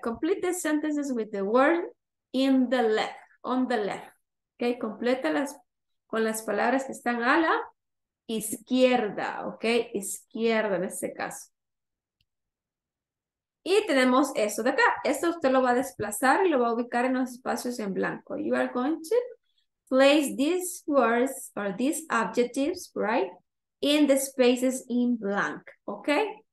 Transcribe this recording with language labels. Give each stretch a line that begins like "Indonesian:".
English: Complete the sentences with the word in the left, on the left.
Spanish: Ok, complétalas con las palabras que están a la izquierda, ok, izquierda en este caso. Y tenemos esto de acá. Esto usted lo va a desplazar y lo va a ubicar en los espacios en blanco.
English: You are going to place these words or these adjectives, right, in the spaces in blank, ok.